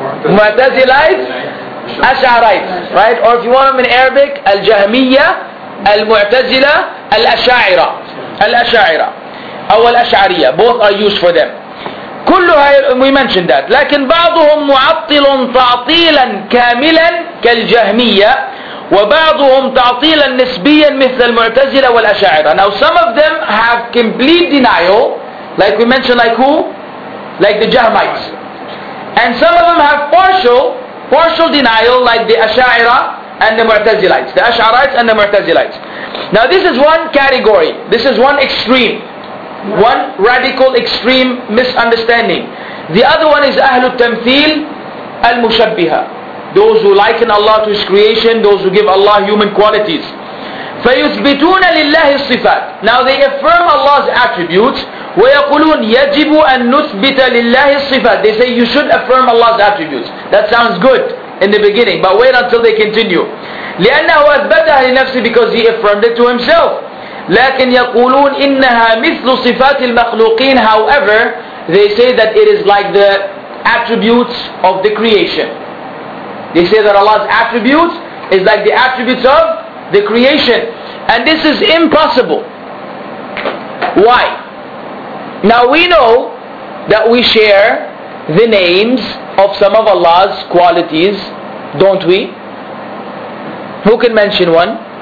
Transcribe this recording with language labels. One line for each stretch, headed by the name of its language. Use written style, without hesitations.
English: Mu'tazilites, Ash'arites, right? Or if you want them in Arabic, Al-Jahmiyyah, Al-Mu'tazila, Al-Ash'a'ira. Al-Ash'a'ira. Or Al-Ash'ariyyah. Both are used for them.
Arabic: كلها,
English: we mentioned that.
Arabic: لكن بعضهم معطل تعطيلا كاملا كالجهمية وبعضهم تعطيلا نسبيا مثل المعتزلة والأشاعرة.
English: Now some of them have complete denial, like we mentioned, like who? Like the Jahmites. And some of them have partial denial, like the أشاعرة and the معتزلites. The أشعرites and the معتزلites. Now this is one category. This is one extreme. One radical extreme misunderstanding. The other one is Ahlul Tamthil Al-Mushabbiha. Those who liken Allah to His creation, those who give Allah human qualities.
Arabic: فَيُثْبِتُونَ لِلَّهِ الصِّفَاتِ.
English: Now they affirm Allah's attributes.
Arabic: وَيَقُلُونَ يَجِبُ أَن نُثْبِتَ لِلَّهِ الصِّفَاتِ.
English: They say you should affirm Allah's attributes. That sounds good in the beginning, but wait until they continue.
Arabic: لِأَنَّهُ أَثْبَتَهَا لِنَفْسِهِ,
English: because He affirmed it to Himself.
Arabic: لكن يقولون إنها مثل صفات المخلوقين.
English: However, they say that it is like the attributes of the creation. They say that Allah's attributes is like the attributes of the creation. And this is impossible. Why? Now we know that we share the names of some of Allah's qualities, don't we? Who can mention one?